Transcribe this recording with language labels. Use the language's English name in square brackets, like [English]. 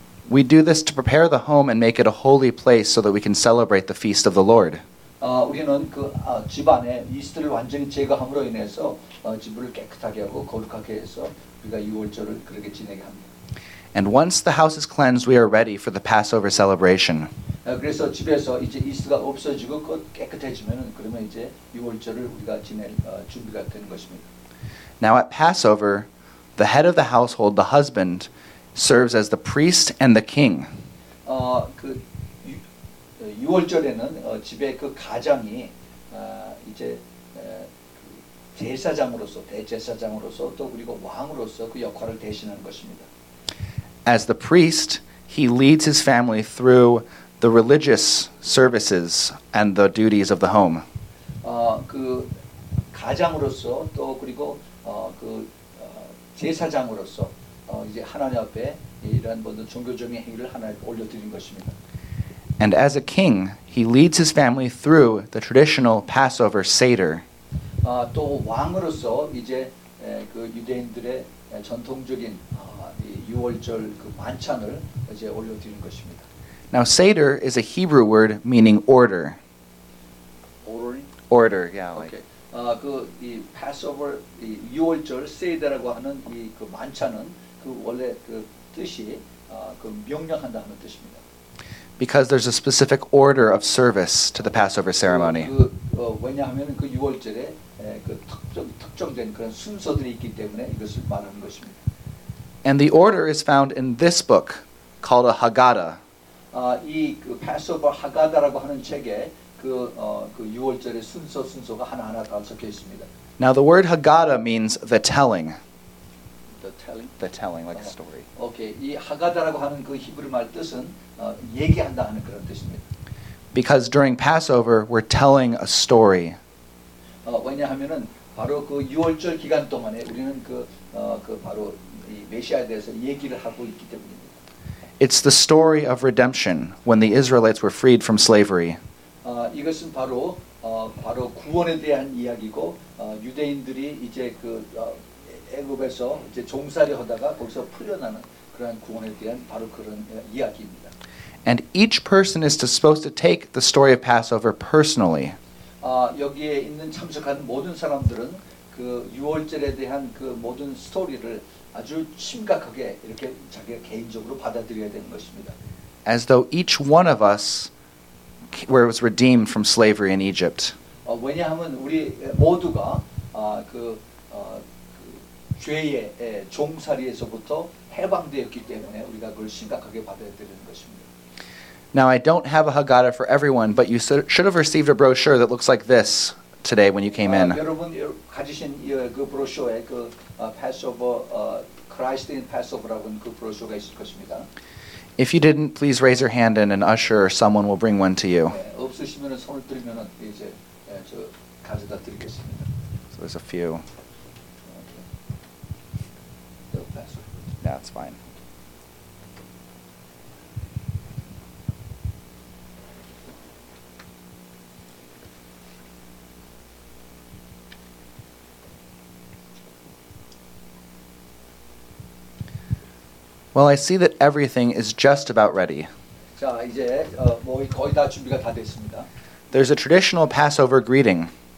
[English] We do this to prepare the home and make it a holy place so that we can celebrate the feast of the Lord. [Korean] 우리는 그 집안에 이스트를 완전히 제거함으로 인해서 집을 깨끗하게 하고 거룩하게 해서 우리가 유월절을 그렇게 지내게 합니다. [English] And once the house is cleansed, we are ready for the Passover celebration. [Korean] 그래서 집에서 이제 이스트가 없어지고 깨끗해지면은 그러면 이제 유월절을 우리가 지낼 준비가 된 것입니다. [English] Now at Passover, the head of the household, the husband, serves as the priest and the king. [Korean] 그 유월절에는 집에 그 가장이 이제 제사장으로서 대제사장으로서 또 그리고 왕으로서 그 역할을 대신하는 것입니다. [English] As the priest, he leads his family through the religious services and the duties of the home. [Korean] 그 가장으로서 또 그리고 그 제사장으로서 이제 하나님 앞에 이런 모든 종교적인 행위를 하나님 올려드린 것입니다. [English] And as a king, he leads his family through the traditional Passover Seder. [Korean] 또 왕으로서 이제 그 유대인들의 전통적인 유월절 그 만찬을 이제 올려드린 것입니다. [English] Now Seder is a Hebrew word meaning order. Ordering? Order, yeah. Like. Okay. [Korean] 그 이 Passover 이 유월절 세이더라고 하는 이 그 만찬은 그 원래 그 뜻이 그 명령한다 하는 뜻입니다. [English] Because there's a specific order of service to the Passover ceremony. [Korean] 그 왜냐하면 그 유월절에 그 특정된 그런 순서들이 있기 때문에 이것을 말하는 것입니다. [English] And the order is found in this book called a Haggadah. [Korean] 이 그 Passover Haggadah라고 하는 책에 그 유월절의 순서가 하나하나 다 적혀 있습니다. [English] Now the word Haggadah means the telling. The telling. The telling, like a story. [Korean] Okay, 이 Haggadah라고 하는 그 히브리 말 뜻은 얘기한다 하는 그런 뜻입니다. [English] Because during Passover we're telling a story. [Korean] 왜냐하면은 바로 그 유월절 기간 동안에 우리는 그 바로 이 메시아에 대해서 얘기를 하고 있기 때문입니다. [English] It's the story of redemption when the Israelites were freed from slavery. [Korean] 이것은 바로 바로 구원에 대한 이야기고 유대인들이 이제 그 애굽에서 이제 종살이 하다가 거기서 풀려나는 그러한 구원에 대한 바로 그런 이야기입니다. [English] And each person is supposed to take the story of Passover personally. [Korean] 여기에 있는 참석한 모든 사람들은 그 유월절에 대한 그 모든 스토리를 아주 심각하게 이렇게 자기가 개인적으로 받아들여야 되는 것입니다. [English] As though each one of us where it was redeemed from slavery in Egypt. [Korean] 왜냐하면 우리 모두가 그 죄의 종살이에서부터 해방되었기 때문에 우리가 그걸 심각하게 받아들이는 것입니다. [English] Now I don't have a Haggadah for everyone, but you should have received a brochure that looks like this today when you came in. [Korean] 여러분 가지신 그 브로셔에 그 Passover Christ in Passover라는 그 브로셔가 있을 것입니다. [English] If you didn't, please raise your hand and an usher or someone will bring one to you. [Korean] 네, 없으시면은 손을 들면은 이제 예, 저 가져다 드리겠습니다. [English] So there's a few. Okay. That's fine. Well, I see that everything is just about ready. [Korean] 자, 이제 뭐 거의 다 준비가 다 됐습니다. [English] There's a traditional Passover greeting.